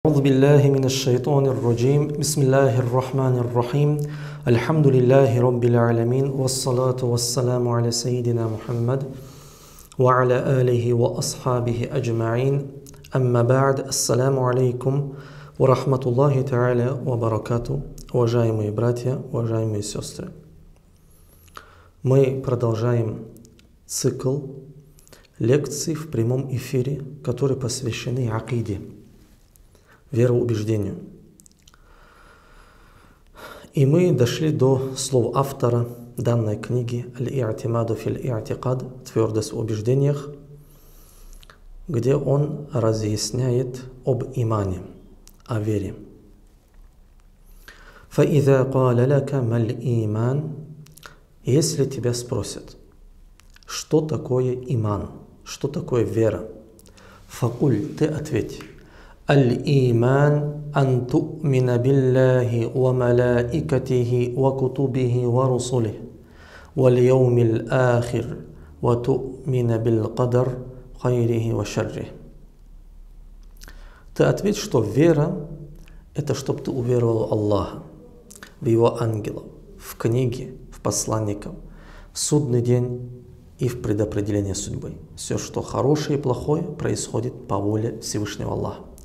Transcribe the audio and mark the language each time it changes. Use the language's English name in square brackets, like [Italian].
[Arabic] أعوذ بالله من الشيطان الرجيم بسم الله الرحمن الرحيم الحمد لله رب العالمين والصلاة والسلام على سيدنا محمد وعلى آله وأصحابه أجمعين أما بعد السلام عليكم ورحمة الله تعالى وبركاته [Russian] уважаемые братья, уважаемые сестры. Мы продолжаем цикл лекций в прямом эфире, которые посвящены акиде, вероубеждению. И мы дошли до слов автора данной книги «Аль-и'тимаду филь-и'тикад» – «Твердость в убеждениях», где он разъясняет об имане, о вере. [Arabic] فَإِذَا قَالَ لَكَ مَا الْإِيمَانِ [Russian] Если тебя спросят, что такое иман, что такое вера, [Arabic] فَقُلْ [Russian] Ты ответь. [Arabic] الإيمان أن تؤمن بالله وملائكته وكتبه ورسله واليوم الآخر وتؤمن بالقدر خيره وشره. [Russian] Ты ответь, что вера — это чтобы ты уверовал в Аллаха, в Его ангелов, в книги, в посланников, в судный день и в предопределение судьбы. Все, что хорошее и плохое, происходит по воле Всевышнего Аллаха.